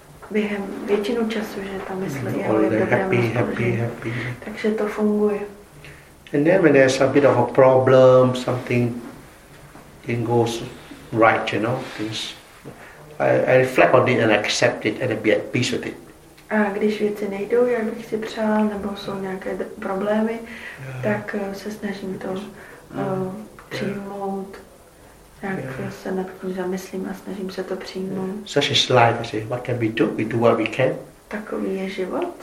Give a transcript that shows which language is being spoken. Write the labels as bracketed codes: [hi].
[cs] Během většinu času, že ta mysl je dobré, [en] happy. [cs] Takže to funguje. [en] And then when there's a bit of a problem, something didn't go right, you know, things, I reflect on it and accept it and be at peace with it. [cs] A když věci nejdou, jak bych si přál, nebo jsou nějaké problémy, tak se snažím to přijmout. Tak se nad tím zamyslím a snažím se to přijmout. [en] Such is life, I say. What can we do? We do what we can. [cs] Takový je život.